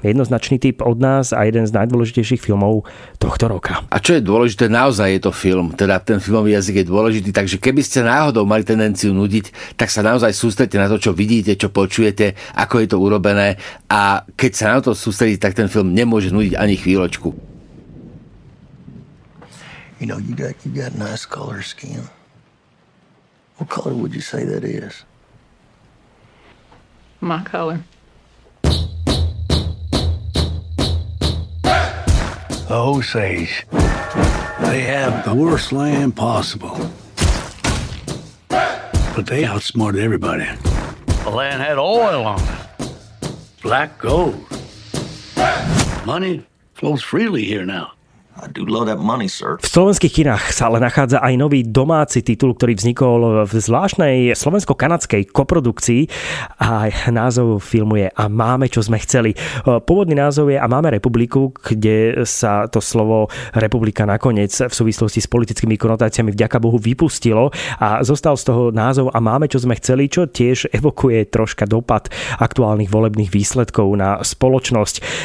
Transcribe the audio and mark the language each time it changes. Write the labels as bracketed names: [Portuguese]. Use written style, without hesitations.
[Slovak] Jednoznačný tip od nás a jeden z najdôležitejších filmov tohto roka. A čo je dôležité, naozaj je to film, teda ten filmový jazyk je dôležitý, takže keby ste náhodou mali tendenciu nudiť, tak sa naozaj sústredite na to, čo vidíte, čo počujete, ako je to urobené, a keď sa na to sústredíte, tak ten film nemôže nudiť ani chvíľočku. [English] You know, you got nice color skin. What color would you say that is? My color. The Osage, they have the worst land possible. But they outsmarted everybody. The land had oil on it. Black gold. Money flows freely here now. I do love that money, sir. [Slovak] V slovenských kinách sa ale nachádza aj nový domáci titul, ktorý vznikol v zvláštnej slovensko-kanadskej koprodukcii a názov filmu je A máme, čo sme chceli. Pôvodný názov je A máme republiku, kde sa to slovo republika nakoniec v súvislosti s politickými konotáciami vďaka Bohu vypustilo a zostal z toho názov A máme, čo sme chceli, čo tiež evokuje troška dopad aktuálnych volebných výsledkov na spoločnosť.